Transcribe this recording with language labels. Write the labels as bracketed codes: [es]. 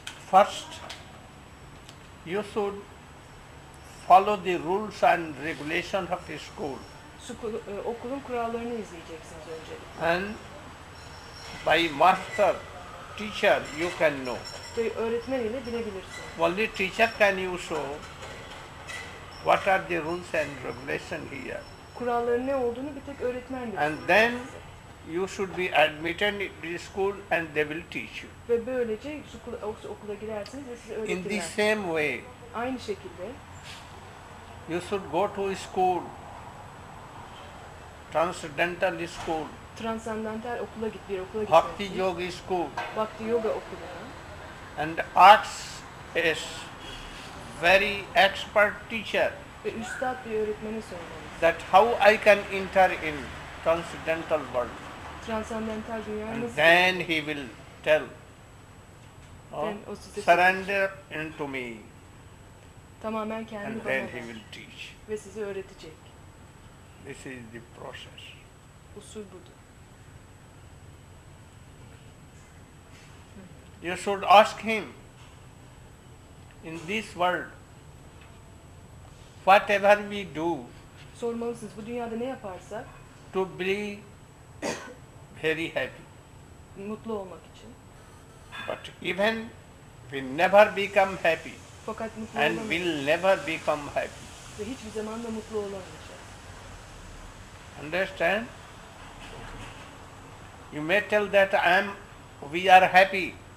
[en] first you should follow the rules and regulations of the school. [tr] Okulun kurallarını izleyeceksiniz önce. [en] And by master, teacher, you can know. [tr] Öğretmen ile bilebilirsin. [en] Only teacher can you show what are the rules and regulations here. [tr] Kuralların ne olduğunu bir tek öğretmen bilir. [en] And then you should be admitted to the school and they will teach you. [tr] Ve böylece okula girersiniz ve size öğretirler. [en] In the same way. [tr] Aynı şekilde. [en] You should go to school, transcendental school. [tr] Transcendental okula git, bir okula git. [en] Bhakti Yoga School. [tr] Bhakti Yoga okuluna. [en] And asks a very expert teacher. [tr] Ve üstad bir öğretmeni sormalı. [en] That how I can enter in transcendental world. [tr] Transcendental dünya [en] and [tr] nasıl? [en] Then he will tell. Oh, surrender into me. [tr] Tamamen kendi [en] and then he will teach. [tr] Ve sizi öğretecek. [en] This is the process. [tr] Usul budur. [en] You should ask him in this world whatever we do. [tr] Sormalısınız bu dünyada ne yaparsak [en] to be very happy. [tr] Mutlu olmak için. [en] But even we never become happy. [tr] Fakat mutlu [en] and will never become happy. [tr] Ve hiçbir zaman da mutlu olamayacak. [en] Understand? You may tell that we are happy.